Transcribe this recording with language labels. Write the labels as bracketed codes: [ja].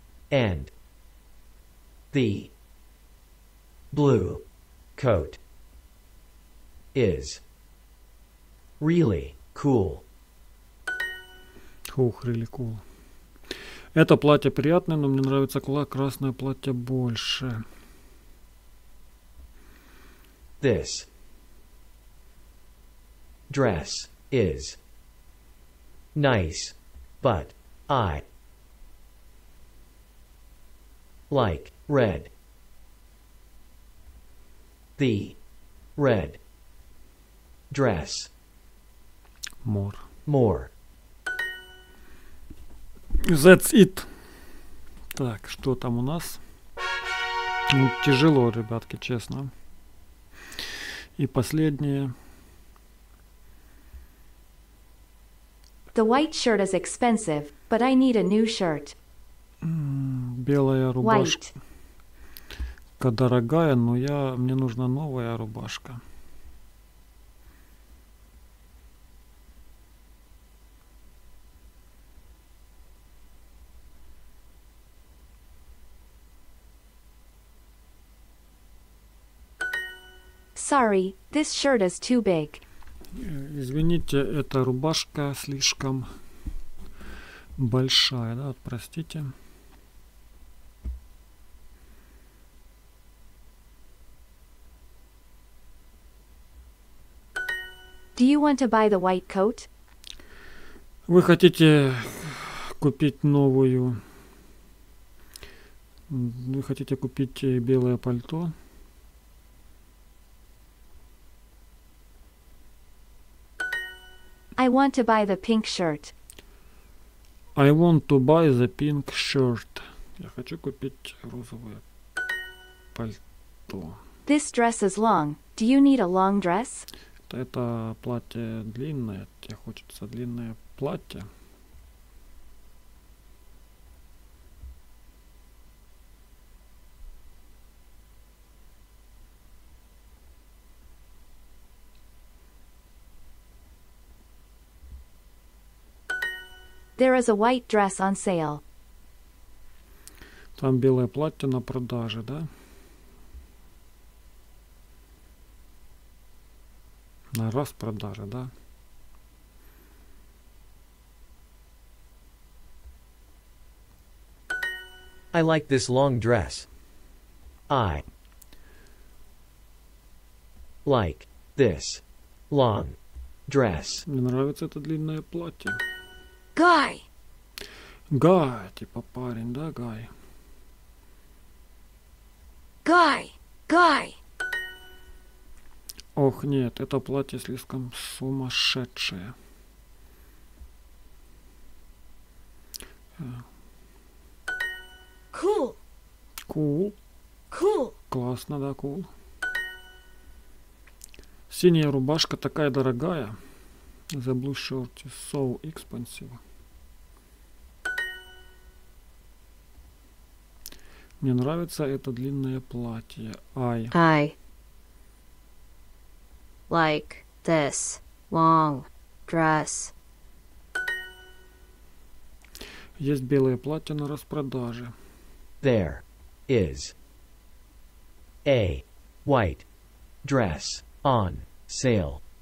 [en] And the blue coat is really cool. Ух, really cool. [ru] Это платье приятное, но мне нравится красное платье больше. [en] This dress is nice, but I like red. The red dress. More. More. That's it. [ru] Так, что там у нас? Ну, тяжело, ребятки, честно. И последнее. [en] The white shirt is expensive, but I need a new shirt. [ru] Белая рубашка дорогая, но мне нужна новая рубашка. [en] Sorry, this shirt is too big. [ru] Извините, эта рубашка слишком большая, да, вот простите. [en] Do you want to buy the white coat? [ru] Вы хотите купить новую? Вы хотите купить белое пальто? [en] I want to buy the pink shirt. I want to buy the pink shirt. [ru] Я хочу купить розовое пальто. [en] This dress is long. Do you need a long dress? [ru] Это платье длинное. Тебе хочется длинное платье. [en] There is a white dress on sale. [ru] Там белое платье на продаже, да? На распродаже, да? [en] I like this long dress. I like this long dress. [ru] Мне нравится это длинное платье. [en] Guy. [ru] Guy, типа парень, да, guy. [en] Guy, guy. [ru] Ох, нет, это платье слишком сумасшедшее. [en] Cool. Cool. Cool. [ru] Классно, да, cool. Синяя рубашка такая дорогая. [en] The blue shirt is so expensive. [ru] Мне нравится это длинное платье. [en] I like this long dress. [ru] Есть белое платье на распродаже. [en] There is a white dress on sale.